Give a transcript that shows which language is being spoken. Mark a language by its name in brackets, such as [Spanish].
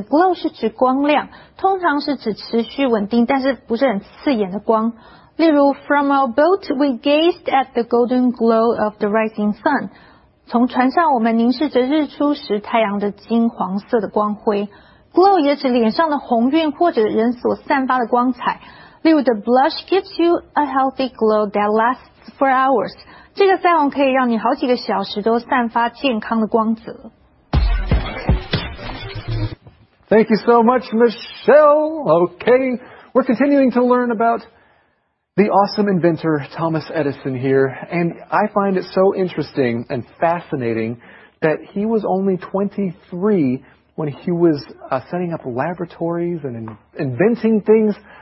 [Chinese] glow 是指光亮，通常是指持续稳定但是不是很刺眼的光。例如 [English] From our boat we gazed at the golden glow of the rising sun. [Chinese] 从船上我们凝视着日出时太阳的金黄色的光辉。 Glow 也指脸上的红晕或者人所散发的光彩。例如 [English] The blush gives you a healthy glow that lasts for hours. [Chinese] 这个腮红可以让你好几个小时都散发健康的光泽。 [English] Thank you so much, Michelle. Okay, we're continuing to learn about the awesome inventor Thomas Edison here, and I find it so interesting and fascinating that he was only 23 when he was setting up laboratories and inventing things.